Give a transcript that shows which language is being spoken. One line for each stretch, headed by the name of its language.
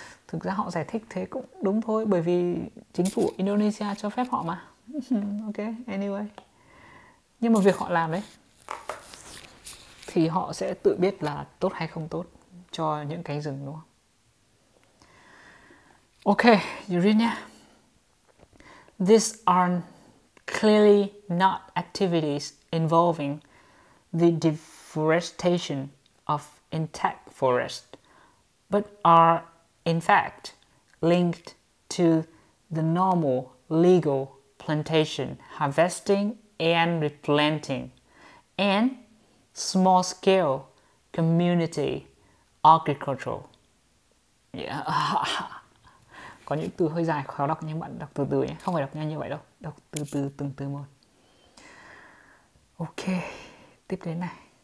Vietnamese: Thực ra họ giải thích thế cũng đúng thôi, bởi vì chính phủ Indonesia cho phép họ mà.
English: Ok, anyway.
Vietnamese: Nhưng mà việc họ làm đấy thì họ sẽ tự biết là tốt hay không tốt cho những cánh rừng, đúng không?
English: Ok, you read nha. These are clearly not activities involving the deforestation of intact forest, but are in fact linked to the normal legal plantation harvesting and replanting and small-scale community agriculture. Yeah.
Vietnamese: Có những từ hơi dài khó đọc, nhưng bạn đọc từ từ nhé, không phải đọc nhanh như vậy đâu, đọc từ từ từng từ một. Ok, tiếp đến này.